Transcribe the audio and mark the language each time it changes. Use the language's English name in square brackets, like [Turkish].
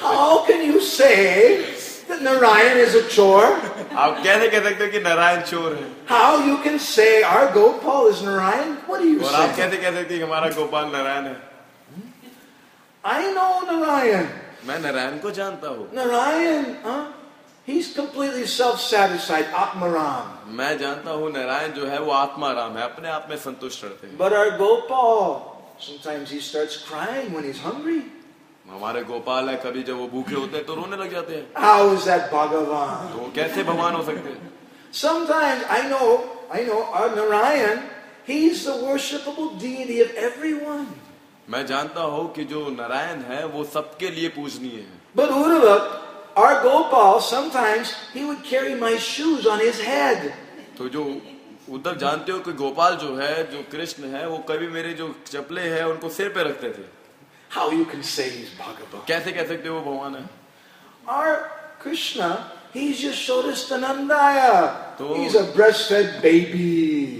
[English] How can you say that Narayan is a chore? [Hindi] आप कैसे कह सकते हो कि नारायण चोर है? [English] How you can say our Gopal is Narayan? What do you say? [Hindi] और आप कैसे कह सकते हो कि हमारा गोपाल नारायण है? [English] I know Narayan. [Hindi] मैं नारायण को जानता हूँ. [English] Narayan, He's completely self-satisfied, Atmaram. [Hindi] मैं जानता हूँ नारायण जो है वो आत्माराम है, अपने आप में संतुष्ट रहते हैं. [English] But our Gopal, sometimes he starts crying when he's hungry. [Hindi] हमारे गोपाल है, कभी जब वो भूखे होते हैं तो रोने लग जाते हैं. [English] How is that Bhagavan? [Hindi] तो कैसे भगवान हो सकते हैं? [English] Sometimes I know, our Narayan, he's the worshipable deity of everyone. [Hindi] मैं जानता हूँ कि जो नारायण है वो सबके लिए पूजनीय है. [English] But Udhava, our Gopal, sometimes he would carry my shoes on his head. [Hindi] तो जो उद्धव जानते हो कि गोपाल जो है, जो कृष्ण है, वो कभी मेरे जो चप्पले हैं उनको सिर पे रखते थे. [English] How you can say he's Bhagavan? [Hindi] कैसे कह सकते हो वो भगवान है? [English] Our Krishna, he's Yashoda Stanandaya. He's a breastfed baby.